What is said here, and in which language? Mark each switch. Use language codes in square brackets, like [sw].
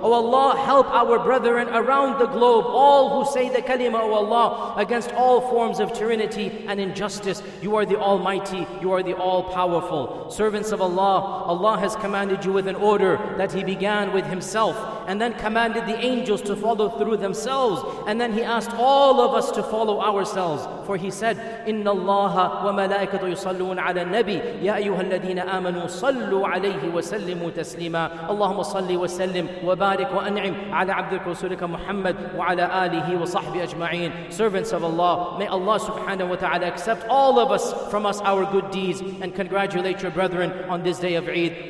[en] O Allah, help our brethren around the globe, all who say the kalima, O Allah, against all forms of tyranny and injustice. You are the Almighty, you are the All-Powerful. Servants of Allah, Allah has commanded you with an order that He began with Himself, and then commanded the angels to follow through themselves, and then He asked all of us to follow ourselves. For He said, [ar] إِنَّ اللَّهَ وَمَلَائِكَةُ يُصَلُّونَ عَلَى النَّبِيِّ يَا أَيُّهَا الَّذِينَ آمَنُوا صَلُّوا عَلَيْهِ وَسَلِّمُوا تَسْلِيمًا. اللهم صلِّ وسلِّم وبارك وأنعم على عبدك ورسولك محمد وعلى آله وصحبه أجمعين. [en] Servants of Allah, may Allah subhanahu wa ta'ala accept all of us from us our good deeds, and congratulate your brethren on this day of Eid.